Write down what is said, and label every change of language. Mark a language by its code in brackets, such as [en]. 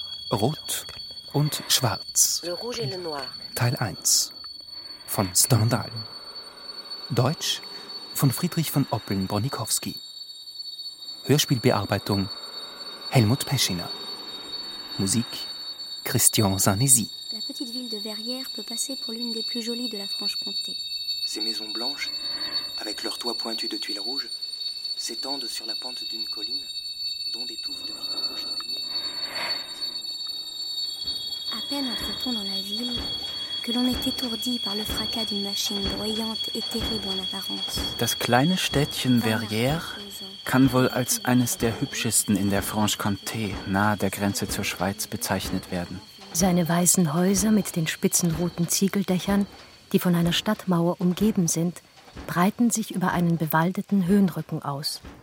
[de] Rot und Schwarz. [fr] Le Rouge et le Noir. [de] Teil 1 von Stendhal. Deutsch von Friedrich von Oppeln-Bronikowski. Hörspielbearbeitung Helmut Peschiner. Musik Christian Sanesi. [fr] La petite ville de Verrières peut passer pour l'une des plus jolies de la Franche-Comté. Ces maisons blanches, avec leurs toits pointus de tuiles rouges, s'étendent sur la pente d'une colline dont des touffes de vignes rouges de nuit. À peine entre-t-on dans la ville que l'on est étourdi par le fracas d'une machine bruyante et terrible en apparence. [de] Das kleine Städtchen Verrières kann wohl als eines der hübschesten in der Franche-Comté, nahe der Grenze zur Schweiz, bezeichnet werden. Seine weißen Häuser mit den spitzen roten Ziegeldächern, die von einer Stadtmauer umgeben sind, breiten sich über einen bewaldeten Höhenrücken aus.